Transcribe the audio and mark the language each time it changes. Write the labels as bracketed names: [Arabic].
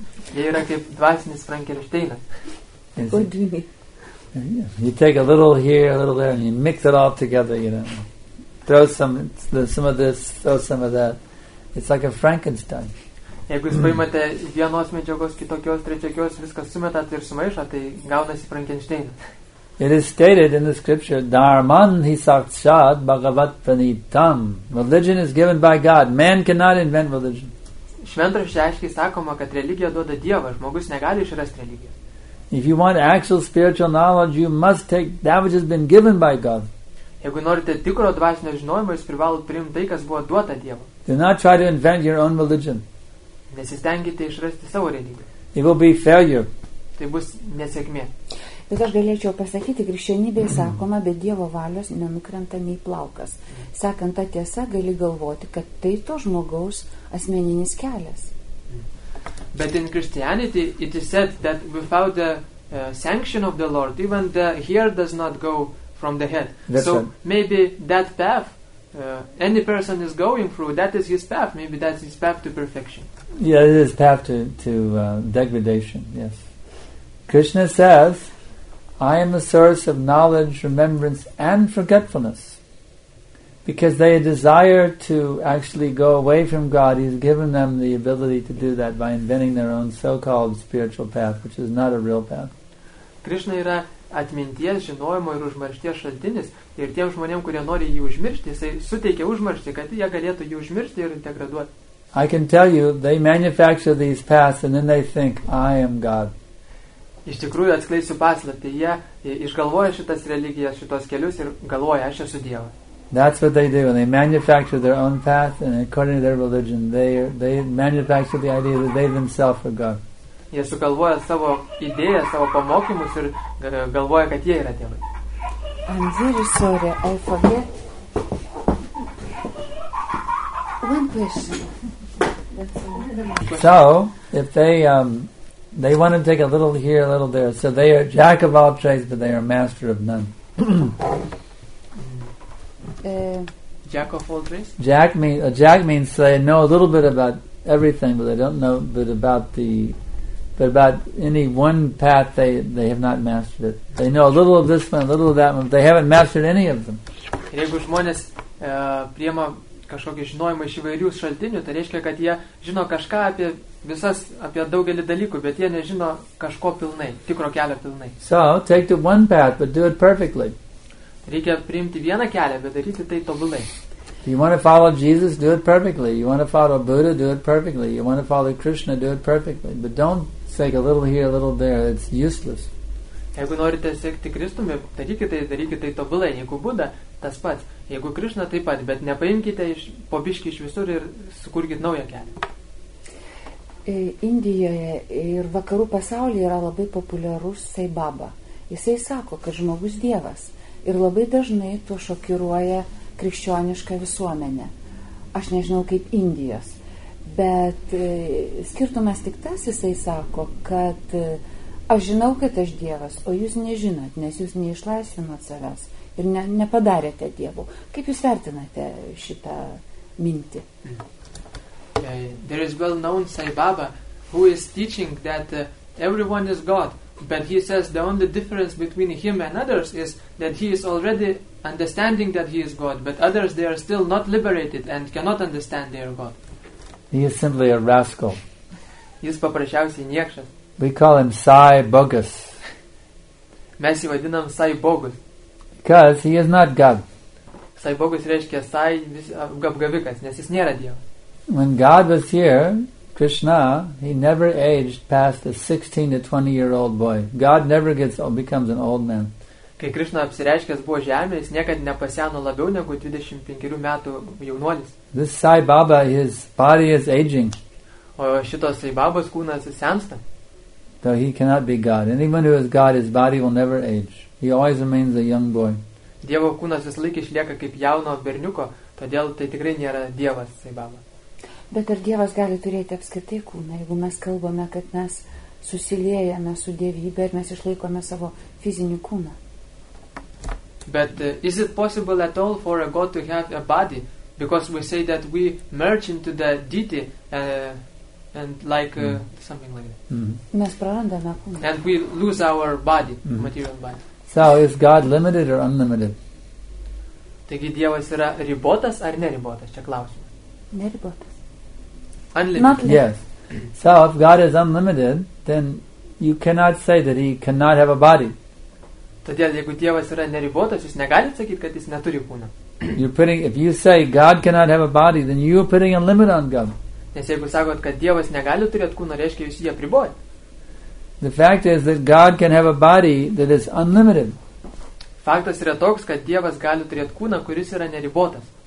[Lithuanian] Jie yra kaip dvasinis Frankensteinas. [English] You take a little here, a little there, and you mix it all together, you know. Throw some of this, throw some of that. It's like a Frankenstein. [Lithuanian] Jeigu jūs paimate vienos medžiagos, kitokios, trečiokios, viskas sumetat ir sumaišat, tai gaunasi Frankensteinas. [English] It is stated in the scripture, [Sanskrit] Dharman hi sakshat bhagavat pranitam. [English] Religion is given by God. Man cannot invent religion. [Lithuanian] Šventraštyje aiškiai sakoma, kad religija duoda Dievas. Žmogus negali išrasti religiją. [English] If you want actual spiritual knowledge, you must take that which has been given by God. [Lithuanian] Jeigu norite tikro dvasinio žinojimo, jūs privalot priimti tai, kas buvo duota Dievo. [English] Do not try to invent your own religion. [Lithuanian] Nesistengite išrasti savo religiją. [English] It will be failure. [Lithuanian] Tai bus nesėkmė. Bet aš galėčiau pasakyti, krikščionybėje sakoma, bet Dievo valios nenukrenta nei plaukas. Sakant tą tiesą, gali galvoti, kad tai to žmogaus asmeninis kelias. [English] But in Christianity, it is said that without the sanction of the Lord, even the hair does not go from the head. That's so it. Maybe that path, any person is going through, that is his path. Maybe that's his path to perfection. Yeah, it is path to degradation, yes. Krishna says, I am the source of knowledge, remembrance, and forgetfulness. Because they desire to actually go away from God, He's given them the ability to do that by inventing their own so-called spiritual path, which is not a real path. [Lithuanian] Krishna yra atminties, žinojimo ir užmaršties šaltinis, ir tiem žmonėm, kurie nori jį užmiršti, jisai suteikia užmarštį, kad jie galėtų jį užmiršti ir integraduoti. [English] I can tell you, they manufacture these paths and then they think, I am God. [Lithuanian] Iš tikrųjų atskleisiu paslaptį, jie išgalvoja šitas religijas, šitos kelius ir galvoja, aš esu Dievas. [English] That's what they do, and they manufacture their own path, and according to their religion, they manufacture the idea that they themselves are God. [Lithuanian] Jie sugalvoja savo idėją, savo pamokymus ir galvoja, kad jie yra Dievas. [English] I'm very sorry, I forget. One question. So, if they want to take a little here, a little there, so they are jack of all trades, but they are master of none. Jack of all trades? Jack means they know a little bit about everything, but they don't know about any one path they have not mastered it. They know a little of this one, a little of that one, but they haven't mastered any of them. [Lithuanian] Jeigu žmonės priema kažkokį žinojimą iš įvairių šaltinių, tai reiškia, kad jie žino kažką apie visas, apie daugelį dalykų, bet jie nežino kažko pilnai, tikro kelio pilnai. [English] So, take the one path, but do it perfectly. [Lithuanian] Reikia priimti vieną kelią, bet daryti tai tobulai. [English] You want to follow Jesus, do it perfectly. You want to follow Buddha, do it perfectly. You want to follow Krishna, do it perfectly. But don't take a little here, a little there. It's useless. [Lithuanian] Jeigu norite sekti Kristumi, darykite tai tobulai. Jeigu Buddha, tas pats. Jeigu Krishna, taip pat. Bet nepaimkite po biškį iš visur ir sukurkit naują kelią. Indijoje ir vakarų pasaulyje yra labai populiarus Sai Baba. Jisai sako, kad žmogus Dievas. Ir labai dažnai tuo šokiruoja krikščionišką visuomenę. Aš nežinau, kaip Indijos. Bet skirtumas tik tas, jisai sako, kad aš žinau, kad aš Dievas, o jūs nežinot, nes jūs neišlaisvinot savęs ir nepadarėte Dievų. Kaip jūs vertinate šitą mintį? [English] There is well known Sai Baba, who is teaching that everyone is God. But he says the only difference between him and others is that he is already understanding that he is God, but others, they are still not liberated and cannot understand their God. He is simply a rascal. [Lithuanian] Jis paprasčiausiai niekšas. [English] We call him Sai Bogus. [Lithuanian] Mes jį vadinam Sai Bogus. [English] Because he is not God. [Lithuanian] Sai Bogus reiškia Sai apgavikas, nes jis nėra Dievas. [English] When God was here, Krishna, he never aged past a 16 to 20 year old boy. God never becomes an old man. [Lithuanian] Kai Krishna apsireiškęs buvo žemė, jis niekad nepaseno labiau negu 25 metų jaunuolis. [English] This Sai Baba, his body is aging. [Lithuanian] O šitos Sai Babos kūnas sensta. [English] Though he cannot be God. Anyone who is God, his body will never age. He always remains a young boy. [Lithuanian] Dievo kūnas vis laik išlieka kaip jauno berniuko, todėl tai tikrai nėra Dievas Sai Baba. Bet ar Dievas gali turėti apskritai kūną, jeigu mes kalbame, kad mes susiliejame su dievybe ir mes išlaikome savo fizinį kūną? [English] But is it possible at all for a God to have a body? Because we say that we merge into the deity something like that. [Lithuanian] Mm-hmm. Mes prarandame kūną. [English] And we lose our body, material body. So is God limited or unlimited? [Lithuanian] Taigi Dievas yra ribotas ar neribotas? Čia klausimas. Neribotas. [English] Unlimited. Yes. So if God is unlimited, then you cannot say that he cannot have a body. [Lithuanian] Todėl, jeigu Dievas yra neribotas, jūs negalite sakyti, kad jis neturi kūną. [English] If you say God cannot have a body, then you are putting a limit on God. [Lithuanian] Nes jeigu sakot, kad Dievas negali turėti kūną, reiškia, jūs jį apribojat. [English] The fact is that God can have a body that is unlimited. [Lithuanian] Faktas yra toks, kad Dievas gali turėti kūną, kuris yra neribotas.